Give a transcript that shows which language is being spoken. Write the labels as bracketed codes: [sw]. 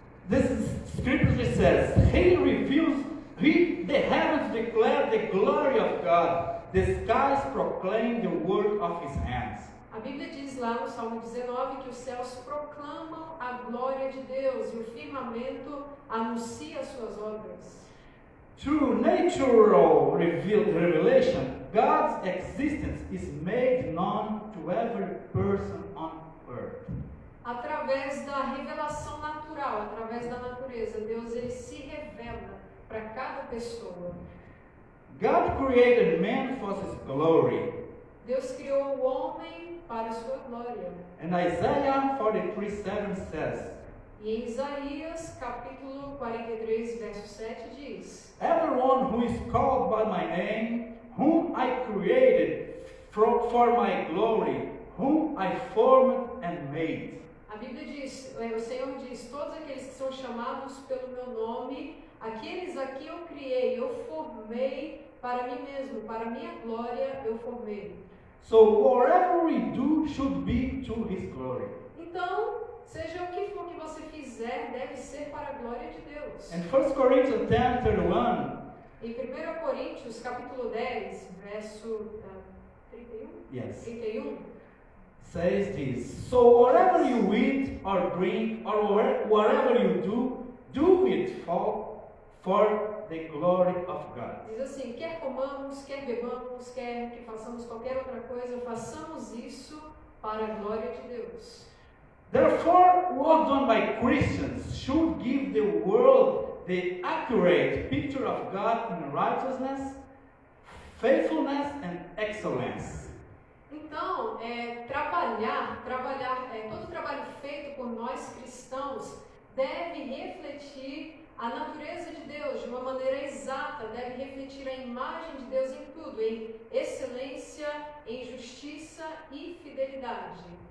[en] This scripture says, he reveals, the heavens declare the glory of God, the skies proclaim the work of his hands. [pt] A Bíblia diz lá no Salmo 19 que os céus proclamam a glória de Deus e o firmamento anuncia as suas obras. [en] Through natural revelation, God's existence is made known to every person on earth. [pt] Através da revelação natural, através da natureza, Deus ele se revela para cada pessoa. [en] God created man for his glory. [pt] Deus criou o homem para a sua glória. [en] And Isaiah 43:7 says. [pt] E em Isaías capítulo 43 verso 7 diz: [en] Everyone who is called by my name, whom I created for my glory, whom I formed and made. [pt] A Bíblia diz, o Senhor diz, todos aqueles que são chamados pelo meu nome, aqueles a quem eu criei, eu formei para mim mesmo, para minha glória eu formei. [en] So whatever we do should be to his glory. [pt] Então, seja o que for que você fizer, deve ser para a glória de Deus. [en] And 1 Corinthians 10:31. [pt] Em 1 Coríntios capítulo 10, verso 31. [en] Yes. [pt] 31. [en] Says this, so whatever you eat or drink or whatever you do, do it for the glory of God. [pt] Diz assim, quer comamos, quer bebamos, quer que façamos qualquer outra coisa, façamos isso para a glória de Deus. [en] Therefore, work done by Christians should give the world the accurate picture of God in righteousness, faithfulness and excellence. [pt] Então, trabalhar, todo o trabalho feito por nós cristãos deve refletir a natureza de Deus de uma maneira exata, deve refletir a imagem de Deus em tudo, em excelência, em justiça e fidelidade.